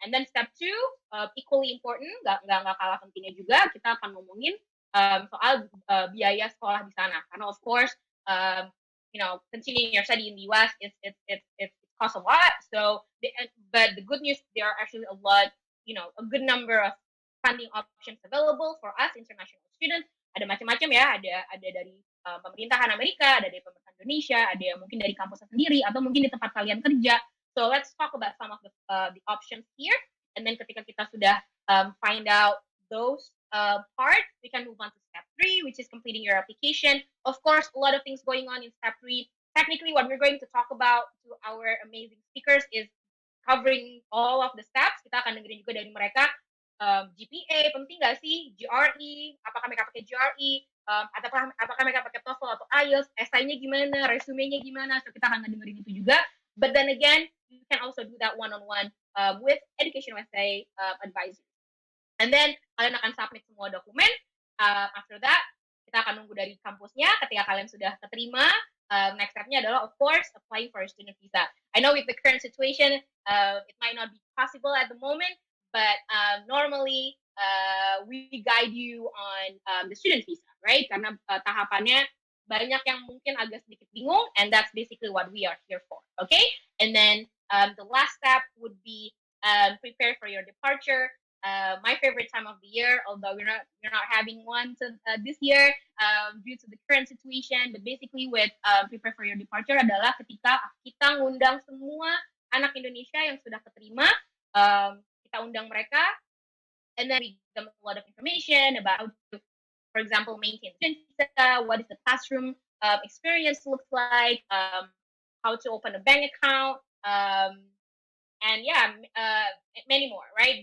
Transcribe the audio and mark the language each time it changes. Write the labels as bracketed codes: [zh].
[en] And then step two, equally important, [id] gak kalah pentingnya juga, kita akan ngomongin soal biaya sekolah di sana. [en] Karena of course, you know, continuing your study in the US, it costs a lot. So, but the good news, there are actually a lot, you know, a good number of funding options available for us international students. [id] Ada macam-macam ya, ada dari pemerintahan Amerika, ada dari pemerintah Indonesia, ada yang mungkin dari kampus sendiri, atau mungkin di tempat kalian kerja. [en] So let's talk about some of the options here. And then [id] ketika kita sudah [en] find out those parts, we can move on to step three, which is completing your application. Of course, a lot of things going on in step three. Technically, what we're going to talk about to our amazing speakers is covering all of the steps. [id] Kita akan dengerin juga dari mereka. GPA penting gak sih? GRE, apakah mereka pakai GRE? Apakah mereka pakai TOEFL atau IELTS? Essay-nya gimana? Resume-nya gimana? So kita akan dengerin itu juga. [en] But then again, you can also do that one-on-one with Education USA advisor. And then [id] kalian akan submit semua dokumen. [en] After that, [id] kita akan nunggu dari kampusnya. Ketika kalian sudah keterima, next step-nya adalah [en] of course applying for a student visa. I know with the current situation, it might not be possible at the moment. But normally we guide you on the student visa, right? [id] Karena tahapannya banyak yang mungkin agak sedikit bingung, [en] and that's basically what we are here for, okay? And then the last step would be prepare for your departure. My favorite time of the year, although we're not having one to, this year due to the current situation. But basically with prepare for your departure [id] adalah ketika kita ngundang semua anak Indonesia yang sudah keterima. Kita undang mereka, [en] and then we give them a lot of information about, for example, maintenance, what is the classroom experience looks like, how to open a bank account, and yeah, many more, right?